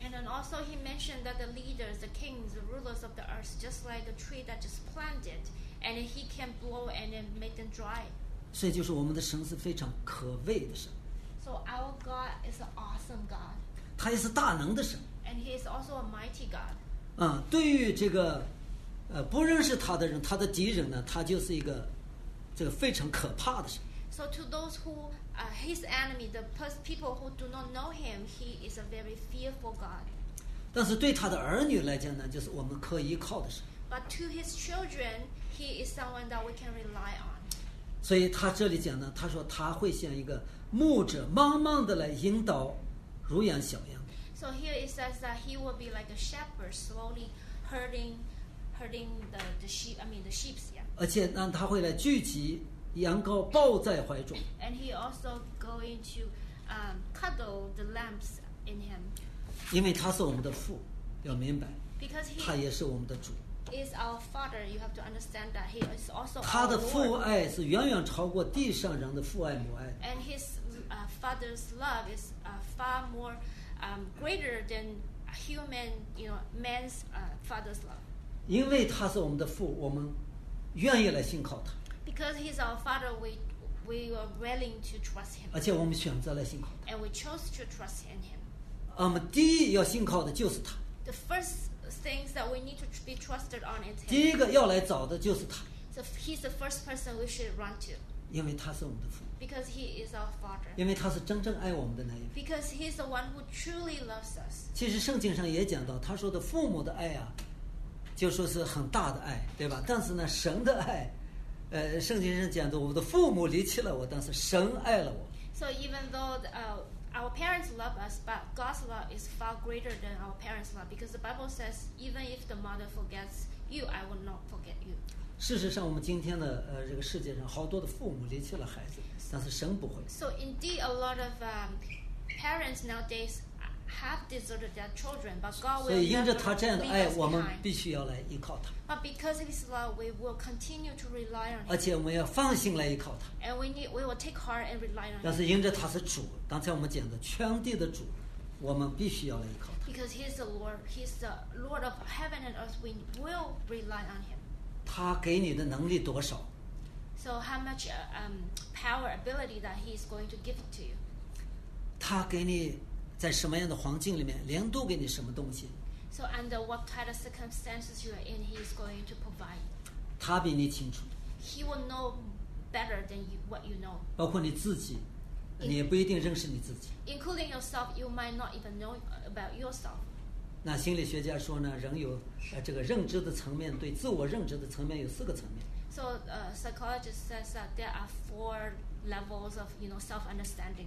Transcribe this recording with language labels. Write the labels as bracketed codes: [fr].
[en] And then also he mentioned that the leaders, the kings, the rulers of the earth, just like a tree that just planted, and he can blow and then make them dry. [zh] 所以就是我们的神是非常可畏的神。 [en] So our God is an awesome God. [zh] 他也是大能的神。 [en] And he is also a mighty God. [zh] 啊，对于这个。不认识他的人，他的敌人呢，他就是一个这个非常可怕的神。 [en] So to those who his enemy, the people who do not know him, he is a very fearful God. [zh] 但是对他的儿女来讲呢，就是我们可依靠的神。 [en] But to his children, he is someone that we can rely on. [zh] 所以他这里讲呢，他说他会像一个牧者，慢慢的来引导，如养小羊。 [en] So here it says that he will be like a shepherd, slowly herding the sheep, yeah. [zh] 而且让他会来聚集羊羔，抱在怀中。 [en] And he also going to cuddle the lambs in him. [zh] 因为他是我们的父，要明白。 [en] Because he [zh] 他也是我们的主。 [en] Is our father? You have to understand that he is also. [zh] 他的父爱是远远超过地上人的父爱母爱。 [en] And his father's love is far more greater than human, you know, man's father's love. [zh] 因为他是我们的父，我们愿意来信靠他。 [en] Because he's our father, we are willing to trust him. [zh] 而且我们选择来信靠他。 [en] And we chose to trust in him. [zh] 我们第一要信靠的就是他。 [en] The first things that we need to be trusted on is him. [zh] 第一个要来找的就是他。 [en] So he's the first person we should run to. [zh] 因为他是我们的父。 [en] Because he is our father. [zh] 因为他是真正爱我们的那一位。 [en] Because he's the one who truly loves us. [zh] 其实圣经上也讲到，他说的父母的爱啊。就说是很大的爱，对吧？但是呢，神的爱，圣经上讲的，我的父母离弃了我，但是神爱了我。 [en] So even though our parents love us, but God's love is far greater than our parents' love, because the Bible says, even if the mother forgets you, I will not forget you. [zh] 事实上，我们今天的这个世界上，好多的父母离弃了孩子，但是神不会。 [en] So indeed, a lot of parents nowadays. Have deserted their children, but God will. [zh] 所以，因着他这样的爱，我们必须要来依靠他。 [en] But because of His love, we will continue to rely on Him. [zh] 而且，我们要放心来依靠他。 [en] And we will take heart and rely on Him. [zh] 但是，因着他是主，刚才我们讲的全地的主，我们必须要来依靠他。 [en] Because He is the Lord, He is the Lord of heaven and earth. We will rely on Him. [zh] 他给你的能力多少 [en] ？So how much power ability that He is going to give to you? [zh] 他给你。在什么样的环境里面，连都给你什么东西 [en] ？So under what kind of circumstances you are in, he is going to provide. [zh] 他比你清楚。 [en] He will know better than you, what you know. [zh] 包括你自己，你也不一定认识你自己。 [en] Including yourself, you might not even know about yourself. [zh] 那心理学家说呢，人有这个认知的层面，对自我认知的层面有四个层面。 [en] So psychologist says that there are four levels of you know self understanding.